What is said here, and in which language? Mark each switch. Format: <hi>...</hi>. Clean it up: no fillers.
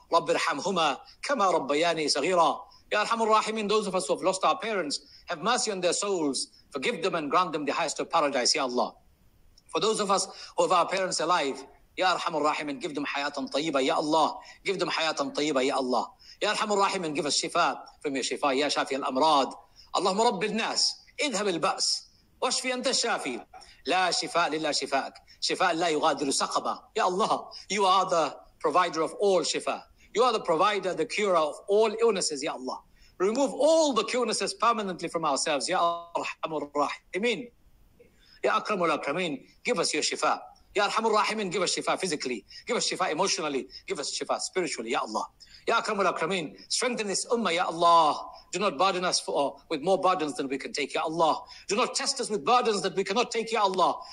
<ar>Rabbir Hamhuma, Kama Rabbayani Sagira. Ya Arhamur Rahimeen,</ar> <en>those of us who have lost our parents, have mercy on their souls. Forgive them and grant them the highest of paradise, Ya Allah. For those of us who have our parents alive, Ya Arhamur Rahimeen, give them</en> <ar>Hayatan Tayyiba,</ar> <en>Ya Allah. Give them Hayatan Tayyiba, Ya Allah.</en> <ar>Ya Arhamur Rahimeen,</ar> <en>give us Shifa from your Shifa,</en> <ar>Ya Shafi Al Amrad. اللهم رب الناس اذهب البأس واشفي أنت الشافي لا شفاء للا شفاءك شفاء لا يغادر سقما. يا الله,</ar> <en>you are the provider of all shifa, you are the provider, the curer of all illnesses. يا الله, remove all the illnesses permanently from ourselves.</en> <ar>يا أرحم الراحمين, يا أكرم الأكرمين,</ar> <en>give us your shifa.</en> <ar>يا أرحم الراحمين,</ar> <en>give us shifa physically, give us shifa emotionally, give us shifa spiritually.</en> <ar>يا الله, يا أكرم الأكرمين,</ar> <en>strengthen this ummah. يا الله, do not burden us with more burdens than we can take, Ya Allah. Do not test us with burdens that we cannot take, Ya Allah.</en>